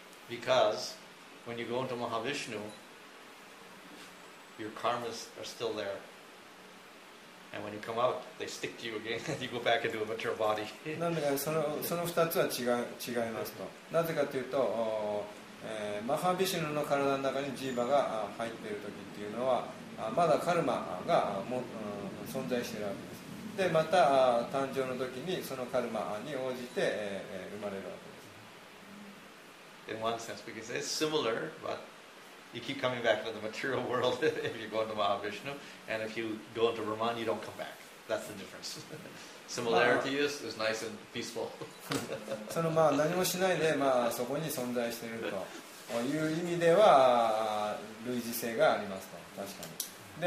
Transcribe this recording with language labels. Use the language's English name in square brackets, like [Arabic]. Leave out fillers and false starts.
[English] Because when you go into Mahavishnu, your karmas are still there. And when you come out, they stick to you again. You go back into a material body. [Japanese] なんでかその二つは違いますと。なぜかというと、マハビシュヌの体の中にジーバが入っている時っていうのはまだカルマが存在しているわけですでまた誕生の時にそのカルマに応じて生まれるわけです [English] in one sense, because it's similar, but you keep coming back to the material world if you go into Mahavishnu, and if you go into Brahman, you don't come back. That's the difference. Similarity is nice and peaceful. [Japanese] そのまあ何もしないでまあそこに存在しているという意味では類似性がありますと確かに。